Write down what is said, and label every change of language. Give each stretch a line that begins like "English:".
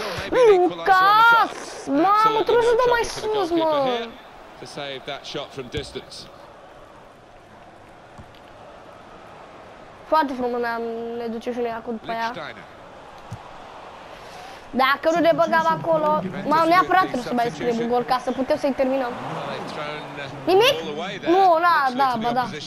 Romanian: Lucas! Mamă, trebuie să dau mai sus, mă!
English: To save that shot from distance.
Romanian: Foarte frumos, ne duce și noi acum după aia. Dacă nu ne băgam acolo, m-am neapărat trebuie să mai scriem un gol ca să putem să-i terminăm. Nimic? Nu, na, da, bă, da.